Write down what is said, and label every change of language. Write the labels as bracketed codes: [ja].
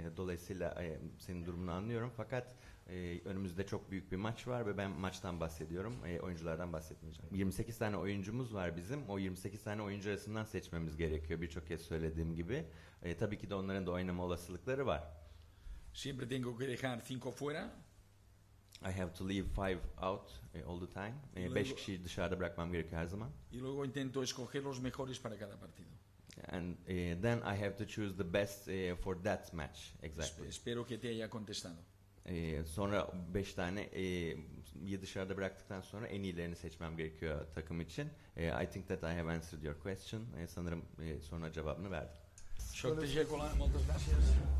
[tr] Dolayısıyla senin durumunu anlıyorum. Fakat önümüzde çok büyük bir maç var ve ben maçtan bahsediyorum. Oyunculardan bahsetmeyeceğim. 28 tane oyuncumuz var bizim. O 28 tane oyuncu arasından seçmemiz gerekiyor birçok kez söylediğim gibi. Tabii ki de onların da oynama olasılıkları var. [es] Siempre tengo que dejar cinco fuera. [en] I have to leave five out all the time. [es] Y 5 luego [tr] kişiyi dışarıda bırakmam gerekiyor her zaman. [es] Intento escoger los mejores para cada partido. [en] And then I have to choose the best for that match, exactly. [es] Espero que te haya contestado. [tr] Sonra 5 tane iyi dışarıda bıraktıktan sonra en iyilerini seçmem gerekiyor takım için. [en] I think that I have answered your question. [tr] Sanırım soruna cevabını verdim. Çok teşekkürler. [es] Muchas gracias.